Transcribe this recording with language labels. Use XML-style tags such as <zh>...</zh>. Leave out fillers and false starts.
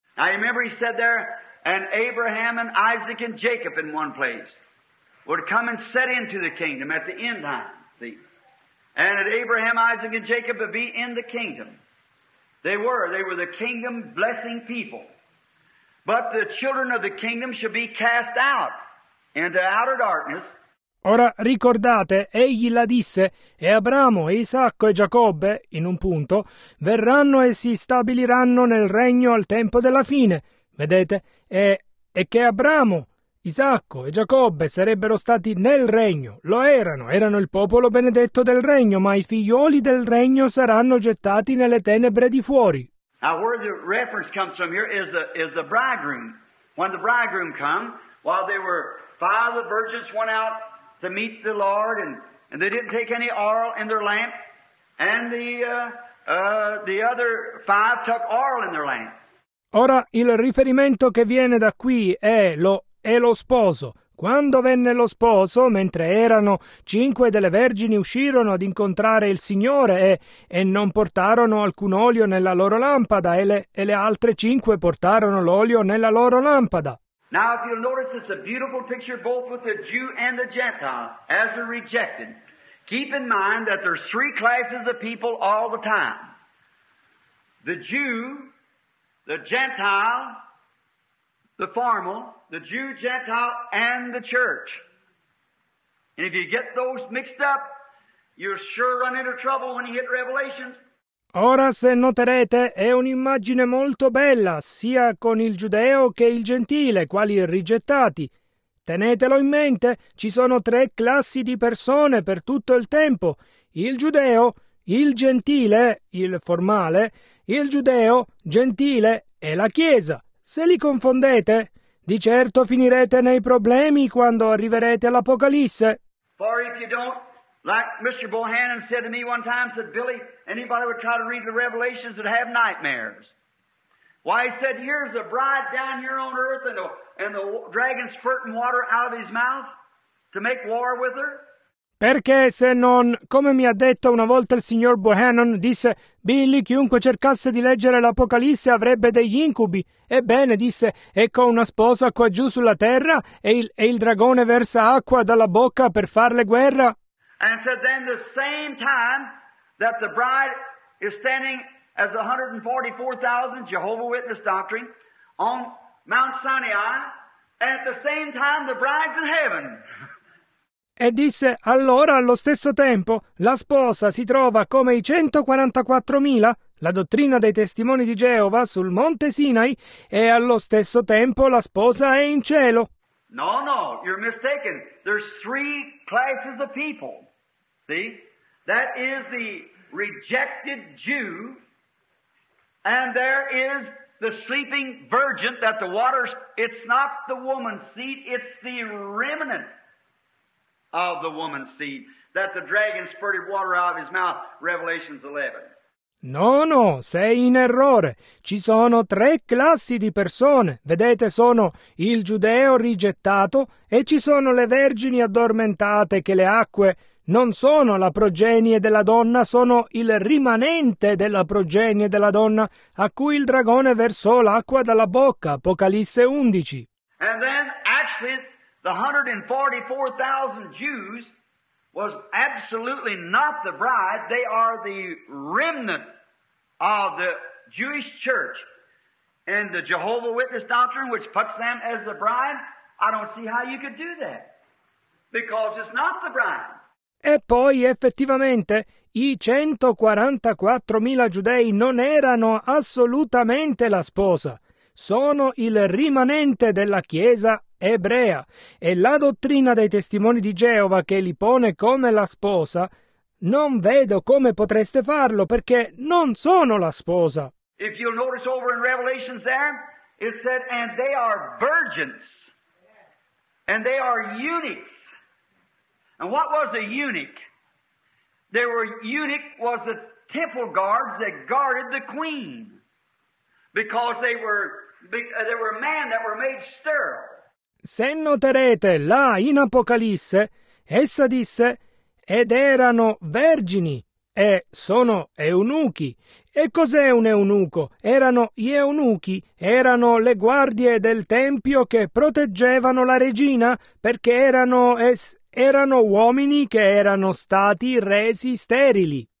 <en>I remember he said there, and Abraham and Isaac and Jacob in one place would come and set into the kingdom at the end time. See? And that Abraham, Isaac and Jacob would be in the kingdom. They were the kingdom blessing people. But the children of the kingdom should be cast out. Into outer darkness.</en> <it>Ora ricordate, egli la disse, e Abramo, e Isacco e Giacobbe, in un punto, verranno e si stabiliranno nel regno al tempo della fine, vedete? E che Abramo, Isacco e Giacobbe sarebbero stati nel regno, lo erano il popolo benedetto del regno, ma i figlioli del regno saranno gettati nelle tenebre di fuori.</it> <en>Now where the reference comes from here is the bridegroom. When the bridegroom come, while they were... Five of the virgins went out to meet the Lord, and they didn't take any oil in their lamp, and the other five took oil in their lamp.</en> <it>Ora il riferimento che viene da qui è lo sposo. Quando venne lo sposo, mentre erano, cinque delle vergini uscirono ad incontrare il Signore e non portarono alcun olio nella loro lampada, e le altre cinque portarono l'olio nella loro lampada.</it> <en>Now if you'll notice, it's a beautiful picture both with the Jew and the Gentile as they're rejected. Keep in mind that there's three classes of people all the time. The Jew, the Gentile, the formal, the Jew, Gentile, and the church. And if you get those mixed up, you'll sure run into trouble when you hit Revelations.</en> <it>Ora, se noterete, è un'immagine molto bella, sia con il giudeo che il gentile, quali rigettati. Tenetelo in mente, ci sono tre classi di persone per tutto il tempo. Il giudeo, il gentile, il formale, il giudeo, gentile e la chiesa. Se li confondete, di certo finirete nei problemi quando arriverete all'Apocalisse.</it> <en>For if you don't, like Mr. Bohannon said to me one time, said, Billy, anybody would try to read the Revelations would have nightmares. Why, he said, here's a bride down here on earth and the dragon spurting water out of his mouth to make war with her.</en> <it>Perché se non, come mi ha detto una volta il signor Bohannon, disse, Billy, chiunque cercasse di leggere l'Apocalisse avrebbe degli incubi. Ebbene, disse, ecco una sposa qua giù sulla terra e il dragone versa acqua dalla bocca per farle guerra.</it> <en>And so then the same time that the bride is standing as 144,000 Jehovah Witness doctrine on Mount Sinai, and at the same time the bride's in heaven.</en> <it>E disse, allora, allo stesso tempo, la sposa si trova come i 144,000, la dottrina dei testimoni di Geova, sul monte Sinai, e allo stesso tempo la sposa è in cielo.</it> <en>No, no, you're mistaken. There's three classes of people. See? That is the rejected Jew, and there is the sleeping virgin, that the waters, it's not the woman's seed, it's the remnant of the woman's seed, that the dragon spurted water out of his mouth, Revelations 11.</en> <it>No, no, sei in errore. Ci sono tre classi di persone. Vedete, sono il giudeo rigettato e ci sono le vergini addormentate che le acque non sono la progenie della donna, sono il rimanente della progenie della donna a cui il dragone versò l'acqua dalla bocca, Apocalisse 11.</it> <en>And then, actually, the 144,000 Jews was absolutely not the bride. They are the remnant of the Jewish church. And the Jehovah Witness doctrine, which puts them as the bride, I don't see how you could do that. Because it's not the bride.</en> <it>E poi, effettivamente, i 144,000 giudei non erano assolutamente la sposa. Sono il rimanente della Chiesa ebrea. E la dottrina dei testimoni di Geova che li pone come la sposa, non vedo come potreste farlo, perché non sono la sposa.</it> <en>If you'll notice over in Revelations there, it said, and they are virgins, and they are eunuchs. And what was a eunuch? They were eunuch was the temple guards that guarded the queen, because they were men that were made sterile.</en> <it>Se noterete là in Apocalisse, essa disse ed erano vergini e sono eunuchi. E cos'è un eunuco? Erano gli eunuchi, erano le guardie del tempio che proteggevano la regina perché erano uomini che erano stati resi sterili.</it>